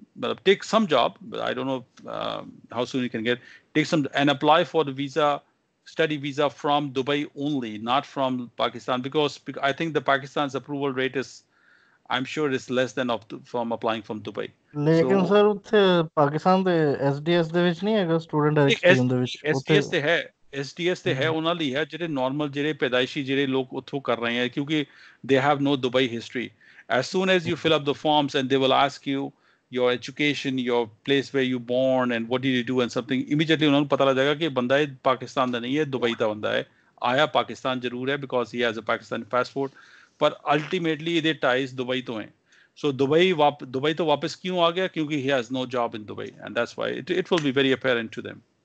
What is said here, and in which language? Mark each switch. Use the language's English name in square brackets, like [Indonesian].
[English] Matlab, take some job, but I don't know how soon you can get. Take some and apply for the visa, study visa from Dubai only, not from Pakistan. Because I think the Pakistan's approval rate is, I'm sure it's less than from applying from Dubai. [Punjabi] ਲੇਕਿਨ sir ਉੱਥੇ ਪਾਕਿਸਤਾਨ ਦੇ SDS ਦੇ ਵਿੱਚ ਨਹੀਂ ਹੈਗਾ student exchange ਦੇ ਵਿੱਚ SDS ਤੇ ਹੈ SDS ਤੇ ਹੈ ਉਹਨਾਂ ਲਈ ਹੈ ਜਿਹੜੇ ਨਾਰਮਲ ਜਿਹੜੇ ਪੈਦਾਇਸ਼ੀ ਜਿਹੜੇ ਲੋਕ ਉੱਥੋਂ ਕਰ ਰਹੇ ਹੈ ਕਿਉਂਕਿ [English] they have no Dubai history as soon as you fill up the forms and they will ask you your education your place where you born and what did you do and something immediately [Punjabi] ਉਹਨਾਂ ਨੂੰ ਪਤਾ ਲੱਗ ਜਾਏਗਾ ਕਿ ਬੰਦਾ ਇਹ ਪਾਕਿਸਤਾਨ ਦਾ ਨਹੀਂ ਹੈ ਦੁਬਈ ਦਾ ਬੰਦਾ ਹੈ ਆਇਆ ਪਾਕਿਸਤਾਨ ਜ਼ਰੂਰ ਹੈ [English] because he has a Pakistani passport [Punjabi] ਪਰ ਅਲਟੀਮੇਟਲੀ ਇਹਦੇ ਟਾਈਜ਼ ਦੁਬਈ ਤੋਂ ਹੈ [English] So Dubai to wapas kyun aa gaya kyunki he has no job in Dubai and that's why it will be very apparent to them